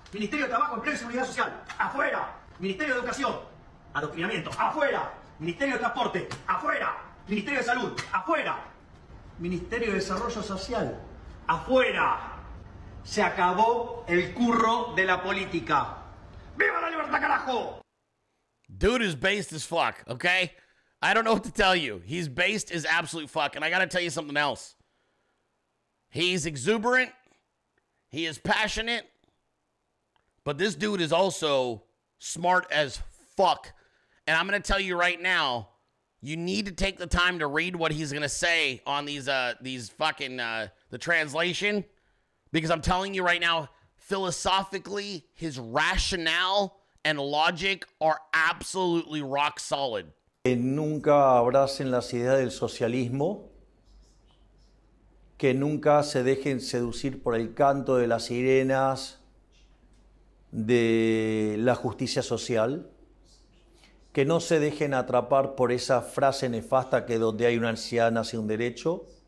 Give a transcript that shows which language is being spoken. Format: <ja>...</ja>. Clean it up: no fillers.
<es>Ministerio de Trabajo, Empleo y Seguridad Social, afuera. Ministerio de Educación, Adoctrinamiento, afuera. Ministerio de Transporte, afuera. Ministerio de Salud, afuera. Ministerio de Desarrollo Social, afuera. Se acabó el curro de la política. ¡Viva la libertad, carajo!</es> <en>Dude is based as fuck, okay? I don't know what to tell you. He's based as absolute fuck. And I gotta tell you something else. He's exuberant. He is passionate. But this dude is also smart as fuck. And I'm going to tell you right now, you need to take the time to read what he's going to say on the translation. Because I'm telling you right now, philosophically, his rationale and logic are absolutely rock solid.</en> <es>Que nunca abracen las ideas del socialismo. Que nunca se dejen seducir por el canto de las sirenas de la justicia social. Que no se dejen atrapar por esa frase nefasta que donde hay una ansiedad nace un derecho.</es>